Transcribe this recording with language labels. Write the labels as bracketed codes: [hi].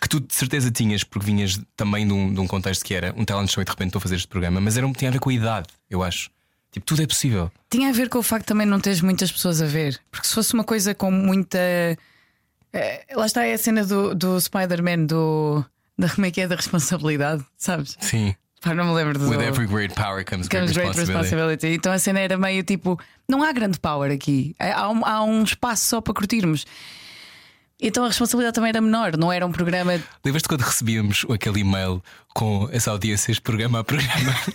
[pt] que tu de certeza tinhas, porque vinhas também de um contexto que era um talent show e de repente estou a fazer este programa. Mas tinha a ver com a idade, eu acho. Tipo, tudo é possível. Tinha a ver com o facto também de não teres muitas pessoas a ver. Porque se fosse uma coisa com muita... lá está a cena do Spider-Man, da como é que é, da responsabilidade, sabes? Sim. Pá, não me lembro de [en] With every great power comes great responsibility. [pt] Então a cena era meio tipo, não há grande power aqui. Há um espaço só para curtirmos. Então a responsabilidade também era menor, não era um programa. Lembras-te quando recebíamos aquele e-mail com essa audiência, este programa a programa?